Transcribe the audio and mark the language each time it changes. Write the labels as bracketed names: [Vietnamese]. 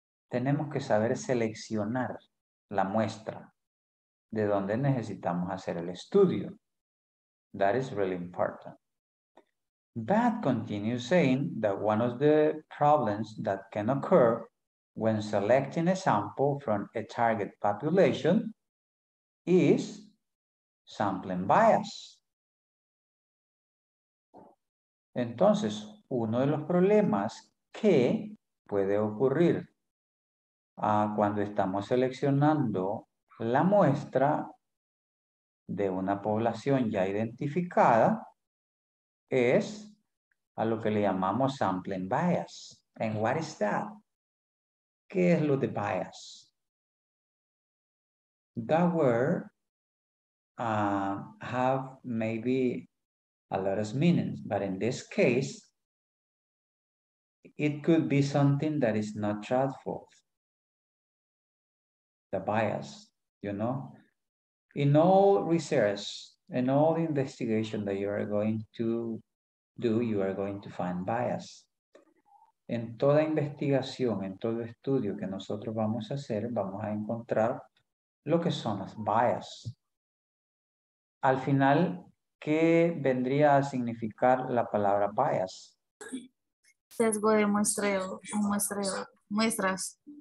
[Spanish] Tenemos que saber seleccionar la muestra de donde necesitamos hacer el estudio. [English] That is really important. Bad continues saying that one of the problems that can occur when selecting a sample from a target population is sampling bias. [Spanish] Entonces, uno de los problemas que puede ocurrir cuando estamos seleccionando la muestra de una población ya identificada es a lo que le llamamos sampling bias. [English] And what is that? [Spanish] ¿Qué es lo de bias? [English] That word have maybe a lot of meanings, but in this case, it could be something that is not truthful. The bias, you know? In all research, in all investigation that you are going to do, you are going to find bias. [Spanish] En toda investigación, en todo estudio que nosotros vamos a hacer, vamos a encontrar lo que son las bias. Al final, ¿qué vendría a significar la palabra bias? Sesgo de muestras.